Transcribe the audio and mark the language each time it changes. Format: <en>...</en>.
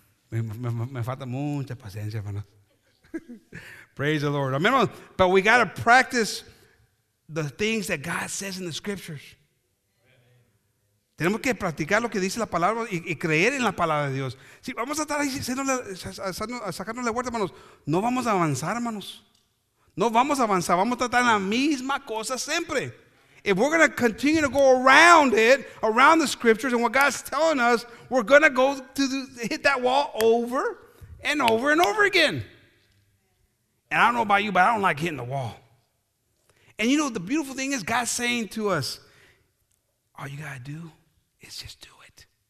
<es>Me falta mucha paciencia, hermano.</es> <en>Praise the Lord.</en> <es>Amen.</es> <en>But we got to practice the things that God says in the scriptures.</en> <es>Tenemos que practicar lo que dice la palabra y creer en la palabra de Dios. Si vamos a estar ahí sacándole la vuelta, hermanos, no vamos a avanzar, hermanos. No vamos a avanzar, vamos a tratar la misma cosa siempre.</es> <en>If we're going to continue to go around it, around the scriptures and what God's telling us, we're going to go to hit that wall over and over and over again. And I don't know about you, but I don't like hitting the wall. And you know, the beautiful thing is God's saying to us, all you got to do is just do it.</en>